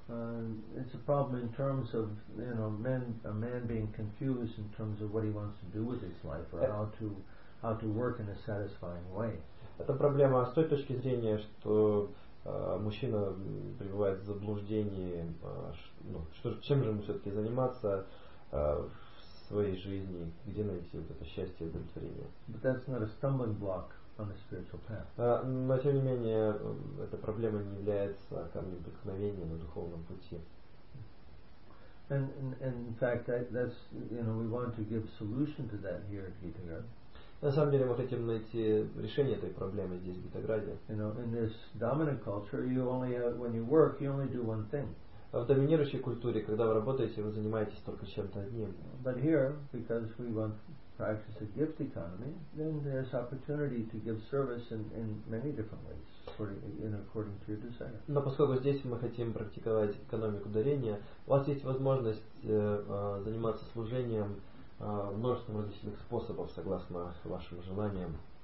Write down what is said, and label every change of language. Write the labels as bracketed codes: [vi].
[en] It's a problem in terms of, you know, a man being confused in terms of what he wants to do with his life or how to work in a satisfying way. [ru] Это проблема с той точки зрения, что мужчина пребывает в заблуждении, чем же ему все-таки заниматься в своей жизни, где найти вот это счастье и удовлетворение. [en] But that's not a stumbling block on a spiritual path. [ru] Но тем не менее, эта проблема не является камнем преткновения на духовном пути. [en] And in fact, that's, you know, we want to give solution to that here at Gitagar. [ru] На самом деле мы хотим найти решение этой проблемы здесь, в Гитаграде. [en] You know, in this dominant culture, you only have, when you work, you only do one thing. [ru] А в доминирующей культуре, когда вы работаете, вы занимаетесь только чем-то одним. [en] But here, because we want practice a gift economy, then there's opportunity to give service in many different ways, according to your desire. [ru] Но поскольку здесь мы хотим практиковать экономику дарения, у вас есть возможность заниматься служением множеством различных способов, согласно вашим желаниям.